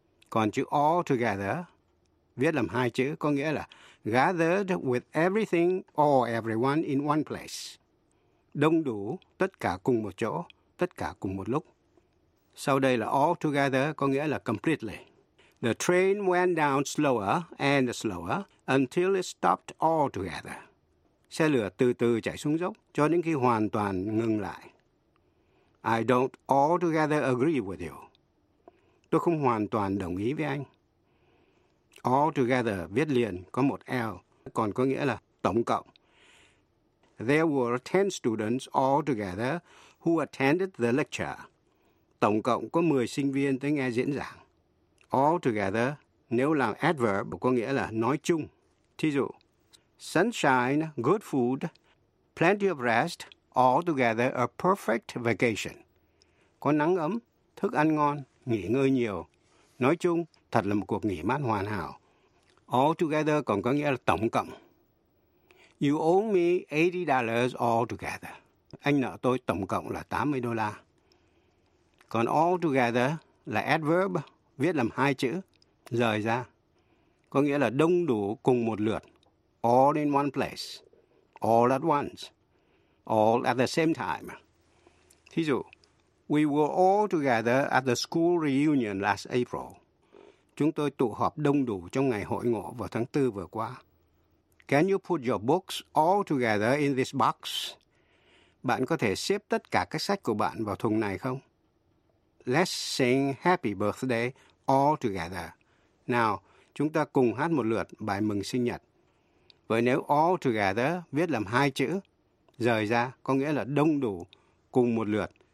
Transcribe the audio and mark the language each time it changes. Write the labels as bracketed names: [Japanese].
[Vietnamese] Còn chữ all together viết làm hai chữ có nghĩa là [English] gathered with everything or everyone in one place. [Vietnamese] Đông đủ, tất cả cùng một chỗ, tất cả cùng một lúc. Sau đây là all together có nghĩa là completely. [English] The train went down slower and slower until it stopped altogether. [Vietnamese] Xe lửa từ từ chạy xuống dốc cho đến khi hoàn toàn ngừng lại. [English] I don't altogether agree with you. [Vietnamese] Tôi không hoàn toàn đồng ý với anh. Altogether viết liền có một L, còn có nghĩa là tổng cộng. [English] There were 10 students altogether who attended the lecture. [Vietnamese] Tổng cộng có 10 sinh viên tới nghe diễn giảng. Altogether, nếu là adverb, có nghĩa là nói chung. Thí dụ, [English] sunshine, good food, plenty of rest, altogether a perfect vacation. [Vietnamese] Có nắng ấm, thức ăn ngon, nghỉ ngơi nhiều. Nói chung, thật là một cuộc nghỉ mát hoàn hảo. Altogether còn có nghĩa là tổng cộng. [English] You owe me $80 altogether. [Vietnamese] Anh nợ tôi tổng cộng là $80. Còn altogether là adverb, viết làm hai chữ, rời ra. Có nghĩa là đông đủ cùng một lượt. [English] All in one place. All at once. All at the same time. [Vietnamese] Thí dụ, [English] we were all together at the school reunion last April. [Vietnamese] Chúng tôi tụ họp đông đủ trong ngày hội ngộ vào tháng 4 vừa qua. [English] Can you put your books all together in this box? [Vietnamese] Bạn có thể xếp tất cả các sách của bạn vào thùng này không? [English] Let's sing happy birthday all together. [Vietnamese] Nào, chúng ta cùng hát một lượt bài mừng sinh nhật. Vậy nếu all together viết làm hai chữ, rời ra có nghĩa là đông đủ cùng một lượt.